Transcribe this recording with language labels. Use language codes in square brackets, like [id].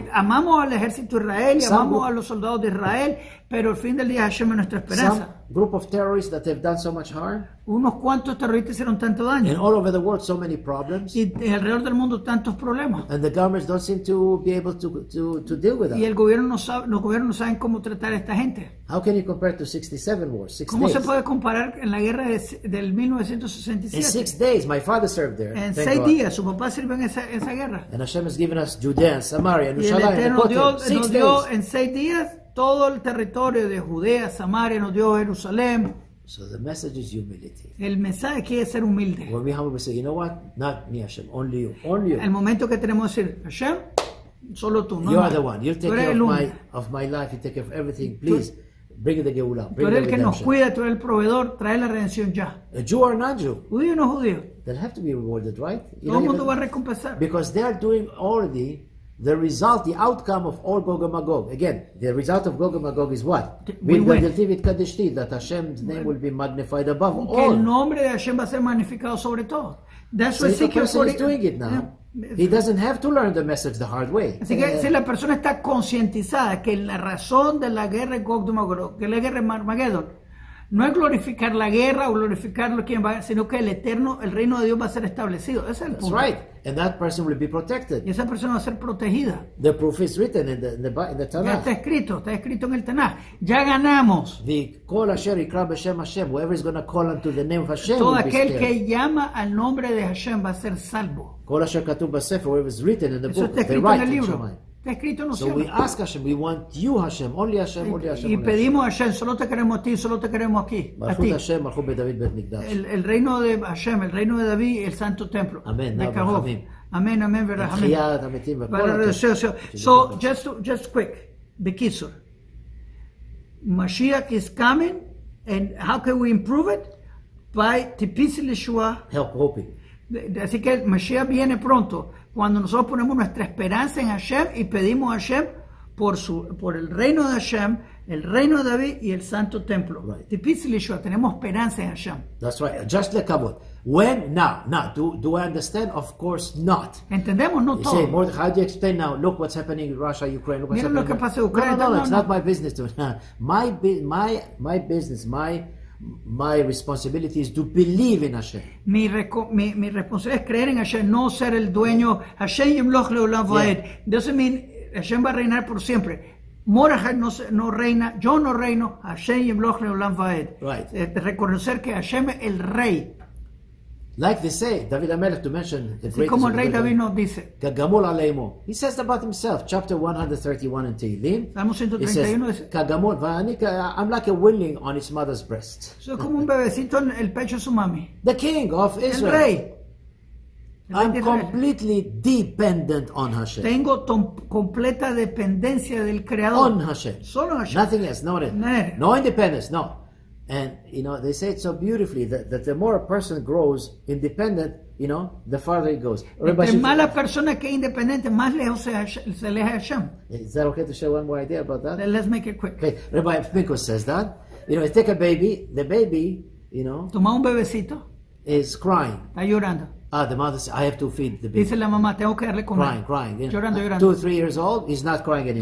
[es] Amamos al ejército de Israel, amamos a los soldados de Israel, pero al fin del día Hashem es nuestra esperanza. [en] Some group of terrorists that have done so much harm. [es] Unos cuantos terroristas hicieron tanto daño. [en] And all over the world, so many problems. [es] Y alrededor del mundo tantos problemas. [en] And the governments don't seem to be able to deal with them. [es] Y el gobierno no sabe, los gobiernos no saben cómo tratar a esta gente. [en] How can you compare to 67 wars? Six [es] ¿Cómo [en] days? [es] Se puede comparar en la guerra del 1967? [en] In 6 days, my father served there. [es] En seis días, su papá sirvió en esa guerra. [en] And Hashem has given us Judea, and Samaria, and Jerusalem, and the Kotel. [es] Nos dio en 6 días todo el territorio de Judea, Samaria, nos dio Jerusalén. [en] So the message is humility. [es] El mensaje aquí es ser humilde. [en] When we humble, we say, you know what? Not me, Hashem. Only you. Only you. [es] El momento que tenemos que decir, Hashem, solo tú. No [en] you are the one. You take care of my life. You take care of everything. Please, bring the Geulah. [es] Tú eres el que nos cuida. Tú eres el proveedor. Trae la redención ya. [en] A Jew or non-Jew? [es] Judío o no judío. [en] They'll have to be rewarded, right? [es] Todo el mundo va a recompensar. [en] Because they are doing already the result, the outcome of all Gog and Magog. Again, the result of Gog and Magog is what? That Hashem's name will be magnified above all. [es] Que el nombre de Hashem va a ser magnificado sobre todo. [en] That's so what if a person is doing it now, he doesn't have to learn the message the hard way. [es] Así que si la persona está concientizada que la razón de la guerra de Gog y Magog, que la guerra de Armageddon, no es glorificar la guerra o glorificar lo quien va, sino que el Eterno, el reino de Dios va a ser establecido. Ese es el punto. [en] That's right. And that person will be protected. [es] Y esa persona va a ser protegida. [en] The proof is written in the Tanakh. [es] Ya está escrito en el Tanakh. Ya ganamos. [en] The call Hashem, yikra b'shem Hashem. Whoever is going to call unto the name of Hashem. [es] Todo aquel que llama al nombre de Hashem va a ser salvo. [en] Call Hashem katub b'sefer, whoever is written in the [es] Eso [en] book. [es] Está escrito en el libro. Escrito, no [en] so [es] cielo. [en] We ask Hashem, we want you Hashem, only Hashem, only Hashem. [es] Y [en] only [es] pedimos Hashem. Hashem, solo te queremos a ti, solo te queremos aquí. [he] Malchut Hashem, Malchut Beit David, Beit Mikdash. [es] El reino de Hashem, el reino de David, el santo templo. [he] Amen. Amen, amen, amen. [en] So, just quick, Bekisur. Mashiach is coming, and how can we improve it? By Tipis Lishua. Help, hoping. [es] Así que Mashiach viene pronto. Cuando nosotros ponemos nuestra esperanza en Hashem y pedimos a Hashem por el reino de Hashem, el reino de David y el Santo Templo. [en] Right. [es] Tipis Lishua, tenemos esperanza en Hashem. [en] That's right. Just like Kabbalah. When? Now. Do I understand? Of course not. [es] Entendemos, no [en] you [es] todo. [en] Say, Mordechai, how do you explain now? Look what's happening in Russia, Ukraine. Look what's [es] mira [en] happening [es] lo que pasa en Ucrania. [en] No, it's not my business. My responsibility is to believe in Hashem. [es] Mi responsabilidad es creer en Hashem, no ser el dueño. [he] Hashem yimloch leolam vaed. [en] Doesn't mean [es] Hashem va a reinar por siempre. Mordechai no reina, yo no reino. Hashem yimloch leolam vaed. [en] Right. [es] Reconocer que Hashem es el rey. [en] Like they say, David HaMelech, to mention the greatest. [es] Como el rey David nos dice. [en] Kagamul aleimo. He says about himself, chapter 131 in Tehilim. [es] Salmo 131. [en] He says, I'm like a weanling on his mother's breast. [es] Soy como un bebecito en el pecho de su mami. [en] The king of Israel. [es] El rey. [en] I'm completely dependent on Hashem. [es] Tengo completa dependencia del Creador. [en] On Hashem. [es] Solo Hashem. [en] Nothing else. Not it. No independence. No. And you know they say it so beautifully that the more a person grows independent, you know, the farther it goes. [es] Entre más la persona que independiente, más lejos se aleja Hashem. [en] Is that okay to share one more idea about that? Let's make it quick. Okay. Rabbi Pinkus says that, you know, take a baby. The baby, you know, [es] toma un bebecito, [en] is crying. [es] Está llorando. [en] Ah, the mother says, I have to feed the baby. [es] Dice la mamá, tengo que darle comer. [en] Crying. [es] Llorando, llorando. [en] 2 or 3 years old, he's not crying anymore.